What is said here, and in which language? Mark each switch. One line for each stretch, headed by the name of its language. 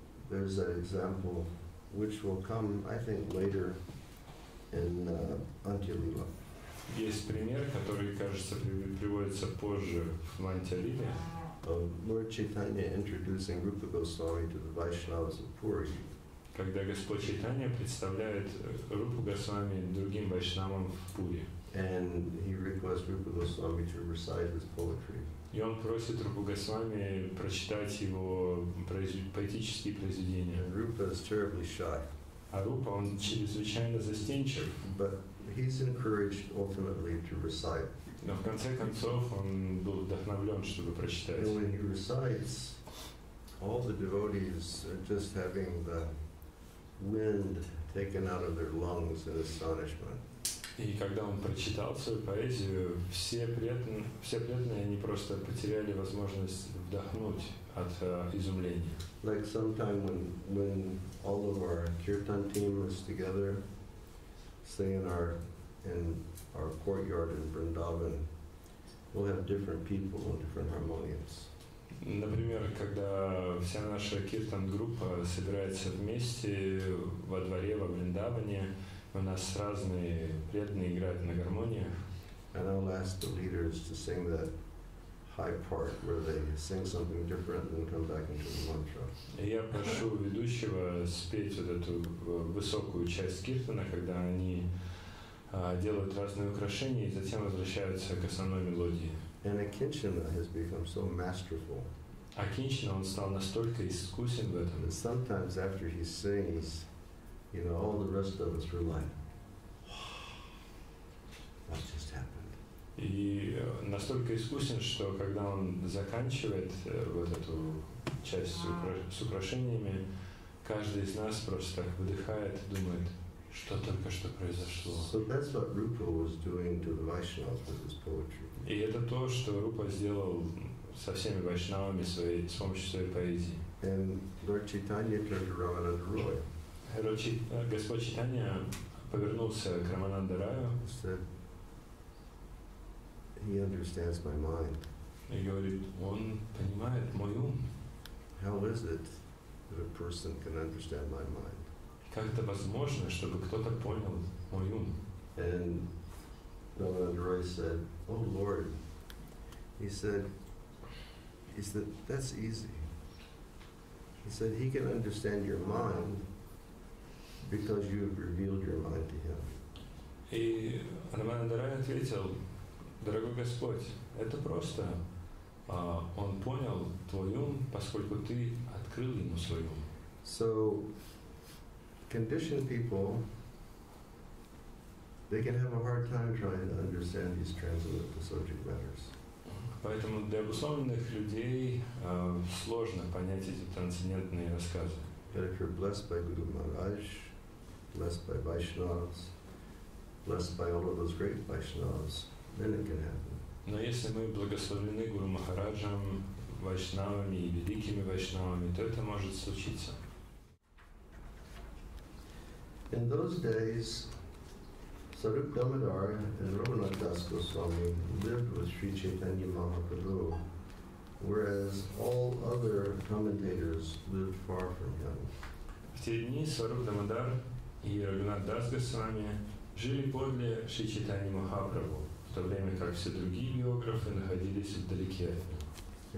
English: There's an example which will come, I think, later in Antilila.
Russian: Есть пример, который, кажется, приводится позже в Антилиле.
English: Of Lord Chaitanya introducing Rupa Goswami to the Vaishnavas of Puri.
Russian: Когда Господь Чайтанья представляет Рупу Госвами другим Вайшнавам в Пури.
English: And he requests Rupa Goswami to recite his poetry.
Russian: И он просит Рупу Госвами прочитать его поэтические произведения.
English: And Rupa is terribly shy.
Russian: А Рупа, он чрезвычайно застенчив.
English: But he's encouraged ultimately to recite.
Russian: Но в конце концов он был вдохновлен, чтобы прочитать.
English: And when he recites, all the devotees are just having the wind taken out of their lungs in astonishment.
Russian: И когда он прочитал свою поэзию, все преданные они просто потеряли возможность вдохнуть от изумления.
English: Like sometime when all of our kirtan team is together, say in our courtyard in Vrindavan, we'll have different people and different harmoniums.
Russian: Например, когда вся наша киртан-группа собирается вместе во дворе, во Вриндаване, у нас разные преданные играют на гармониях.
English: And I'll ask the leaders to sing that high part where they sing something different and come back into the mantra.
Russian: Я прошу ведущего спеть вот эту высокую часть киртана, когда они делают разные украшения и затем возвращаются к основной мелодии.
English: And Akinchana has become so masterful.
Russian: Akinchana, он стал настолько искусен в этом.
English: And sometimes after he sings, you know, all the rest of us were like, what just happened?
Russian: И настолько искусен, что когда он заканчивает вот эту часть с украшениями, каждый из нас просто так выдыхает и думает, что только что произошло.
English: So that's what Rupa was doing to the Vaishnavas with his poetry.
Russian: И это то, что Рупа сделал со всеми вайшнавами своей, с помощью своей поэзии.
English: And Lord Chaitanya turned around and Roy.
Russian: Господь Чайтанья повернулся к Рамананда Раю.
English: Said, he understands my mind.
Russian: И говорит, он понимает мой ум.
English: How is it that a person can understand my mind?
Russian: Как это возможно, чтобы кто-то понял мой ум?
English: And Rамананда Рай said, oh Lord, he said, that's easy. He said, he can understand your mind because you have revealed your mind to him.
Russian: И Рамананда Рай ответил, дорогой Господь, это просто. Он понял твой ум, поскольку ты открыл ему свой ум.
English: So, conditioned people, they can have a hard time trying to understand these transcendental subject matters.
Russian: Поэтому для обусловленных людей сложно понять эти трансцендентные рассказы.
English: But if you're blessed by Guru Maharaj, blessed by Vaishnavas, blessed by all of those great Vaishnavas, then it can happen.
Russian: Но если мы благословлены Гуру Махараджем, вайшнавами и великими вайшнавами, то это может случиться.
English: In those days, Sarup Damodar and Raghunath Das Goswami lived with Sri Chaitanya Mahaprabhu, whereas all other commentators lived far from him.
Russian: В те дни Сваруп Дамодар и Рагунат Дас Госвами жили подле Шри Чайтаньи Махапрабху, в то время как все другие географы находились вдалеке от